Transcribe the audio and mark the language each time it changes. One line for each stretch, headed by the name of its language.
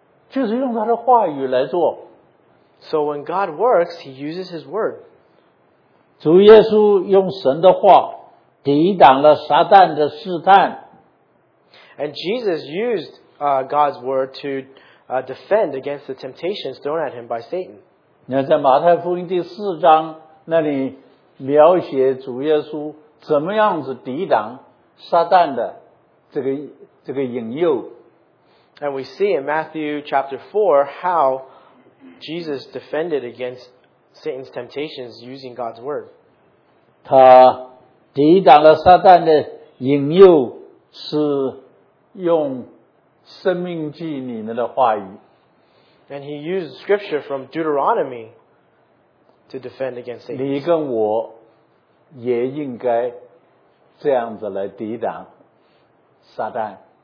Chinese: 这就是神,他做事就是用他的话语来做。
English: So when God works, he uses his word.
Chinese: 主耶稣用神的话, 抵挡了撒旦的试探。
English: And Jesus used God's word to defend against the temptations thrown at him by Satan.
Chinese: 你看在马太福音第四章那里描写主耶稣怎么样子抵挡撒旦的这个引诱。
English: And we see in Matthew chapter 4 how Jesus defended against Satan's temptations using God's word.
Chinese: 他抵挡了撒旦的引诱是用生命记里面的话语。
English: And he used scripture from Deuteronomy to defend against Satan.
Chinese: 你跟我也应该这样子来抵挡撒旦。